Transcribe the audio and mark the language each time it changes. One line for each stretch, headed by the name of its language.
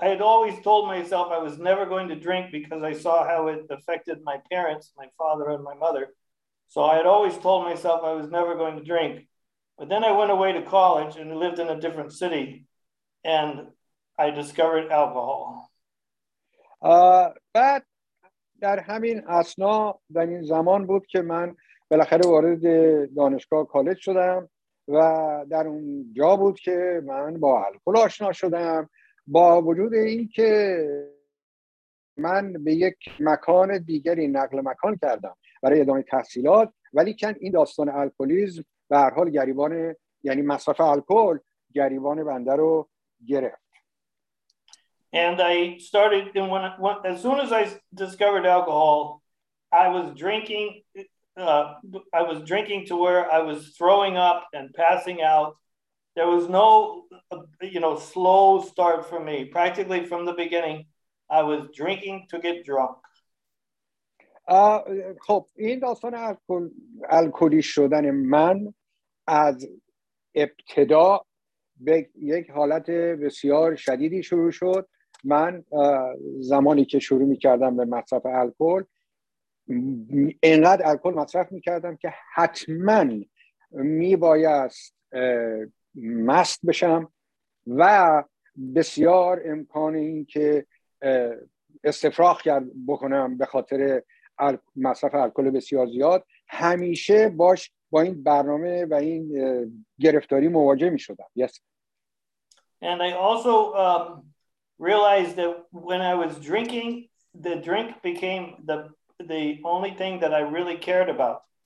English: I had always told myself I was never going to drink because I saw how it affected my parents, my father and my mother. So I had always told myself I was never going to drink. But then I went away to college and lived in a different city and I discovered alcohol.
Persian: بعد در همین اسنا و این زمان بود که من بالاخره وارد دانشگاه کالج شدم و در اون جا بود که من با الکل آشنا شدم، با وجود این که من به یک مکان دیگری نقل مکان کردم برای ادامه تحصیلات، ولی کن این داستان الکلیزم به هر حال گریبان، یعنی مصرف الکل گریبان بنده رو گرفت.
English: And I started in one, as soon as I discovered alcohol, I was drinking to where I was throwing up and passing out. There was no, you know, slow start for me. Practically from the beginning, I was drinking to get drunk.
Persian: خب این داستان الکلی شدن من از ابتدا به یک حالت بسیار شدیدی شروع شد. من زمانی که شروع می کردم به مصرف الکل، اینقدر الکل مصرف می کردم که حتما می بایست مست بشم و بسیار امکان این که استفراغ کرد بکنم به خاطر مصرف الکل بسیار زیاد، همیشه باش با این برنامه و این گرفتاری مواجه می شدم.
English: Yes. And I also realized that when I was drinking, the drink became the only thing that I really cared about.